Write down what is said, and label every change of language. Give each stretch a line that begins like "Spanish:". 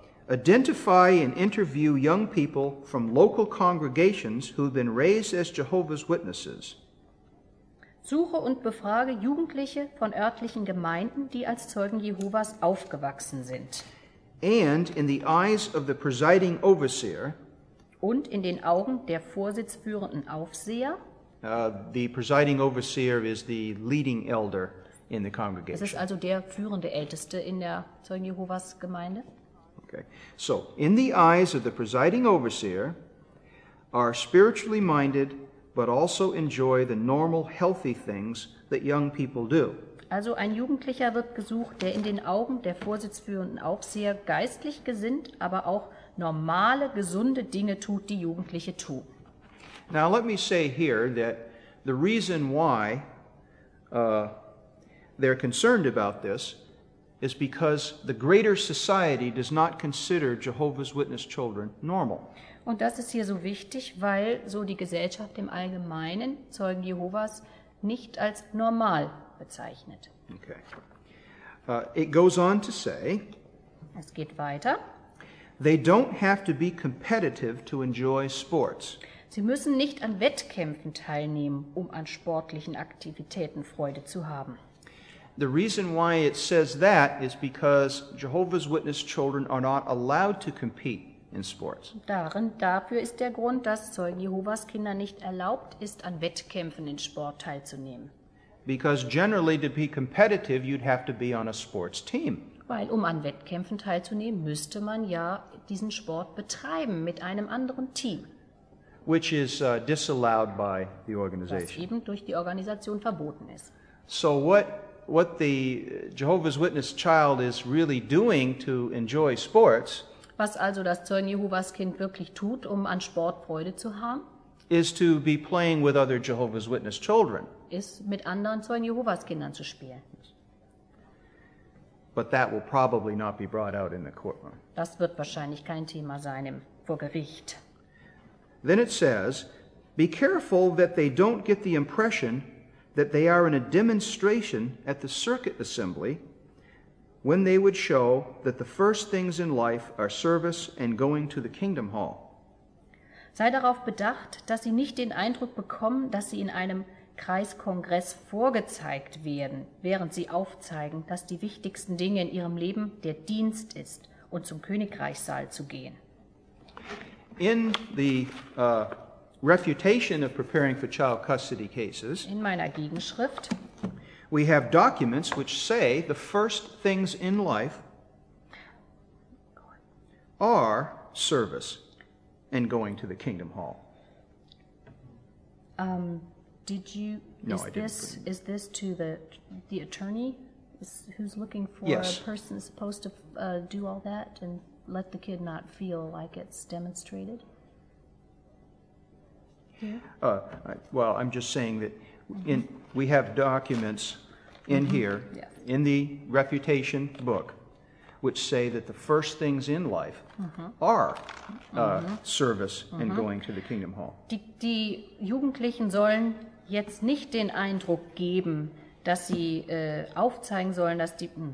English: Identify and interview young people from local congregations who have been raised as Jehovah's Witnesses.
German: Suche und befrage Jugendliche von örtlichen Gemeinden, die als Zeugen Jehovas aufgewachsen sind.
English: And in the eyes of the presiding overseer.
German: Und in den Augen der vorsitzführenden Aufseher.
English: The presiding overseer is the leading elder in the congregation.
German: Es ist also der führende Älteste in der Zeugen Jehovas Gemeinde.
English: Okay. So, in the eyes of the presiding overseer are spiritually minded, but also enjoy the normal healthy things that young people do.
German: Also ein Jugendlicher wird gesucht, der in den Augen der vorsitzführenden Aufseher geistlich gesinnt, aber auch normale, gesunde Dinge tut, die Jugendliche tun.
English: Now let me say here that the reason why they're concerned about this is because the greater society does not consider Jehovah's Witness children normal.
German: Und das ist hier so wichtig, weil so die Gesellschaft im Allgemeinen Zeugen Jehovas nicht als normal bezeichnet.
English: Okay. It goes on to say,
German: es geht weiter.
English: They don't have to be competitive to enjoy sports.
German: Sie müssen nicht an Wettkämpfen teilnehmen, um an sportlichen Aktivitäten Freude zu haben.
English: The reason why it says that is because Jehovah's Witness children are not allowed to compete in sports.
German: Dafür ist der Grund, dass Zeugen Jehovas Kinder nicht erlaubt ist, an Wettkämpfen in Sport teilzunehmen.
English: Because generally to be competitive you'd have to be on a sports team.
German: Weil um an Wettkämpfen teilzunehmen, müsste man ja diesen Sport betreiben mit einem anderen Team.
English: Which is disallowed by the organization.
German: Was eben durch die Organisation verboten ist.
English: So what the Jehovah's Witness child is really doing to enjoy sports,
German: was also das Zeugen Jehovas Kind wirklich tut, um an Sport Freude zu haben,
English: is to be playing with other Jehovah's Witness children,
German: ist mit anderen Zeugen Jehovas Kindern zu spielen.
English: But that will probably not be brought out in the courtroom.
German: Das wird wahrscheinlich kein Thema sein im vor Gericht.
English: Then it says, be careful that they don't get the impression that they are in a demonstration at the circuit assembly when they would show that the first things in life are service and going to the kingdom hall.
German: Sei darauf bedacht, dass sie nicht den Eindruck bekommen, dass sie in einem Kreiskongress vorgezeigt werden, während sie aufzeigen, dass die wichtigsten Dinge in ihrem Leben der Dienst ist und zum Königreichssaal zu gehen.
English: In the refutation of preparing for child custody cases.
German: In meiner Gegenschrift.
English: We have documents which say the first things in life are service and going to the kingdom hall. Is this to the attorney who's looking for yes. A person supposed to do all that and let the kid not feel like it's demonstrated? Yeah. I'm just saying that we have documents in here, yeah. In the refutation book, which say that the first things in life are service and going to the kingdom hall.
German: Die Jugendlichen sollen jetzt nicht den Eindruck geben, dass sie aufzeigen sollen, dass die...